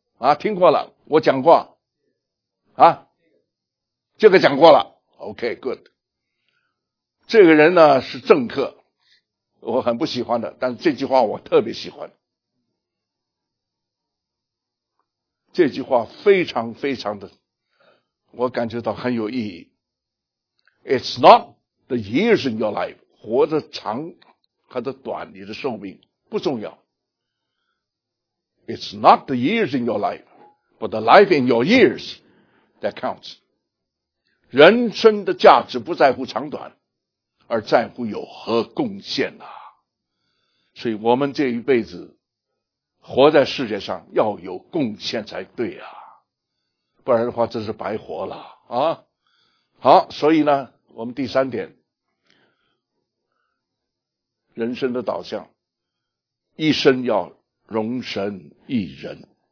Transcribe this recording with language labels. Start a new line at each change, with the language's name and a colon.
Chinese: 啊，听过了，我讲过，啊，这个讲过了 ，
English: OK, good。
Chinese: 这个人呢是政客，我很不喜欢的，但是这句话我特别喜欢。这句话非常非常的，我感觉到很有意义。
English: It's not the years in your life,
Chinese: 活得长还是短，你的寿命不重要。
English: It's not the years in your life, but the life in your years that counts.
Chinese: 人生的价值不在乎长短，而在乎有何贡献啊。所以我们这一辈子活在世界上要有贡献才对啊。不然的话这是白活了啊。好，所以呢我们第三点，人生的导向，一生要容神一人。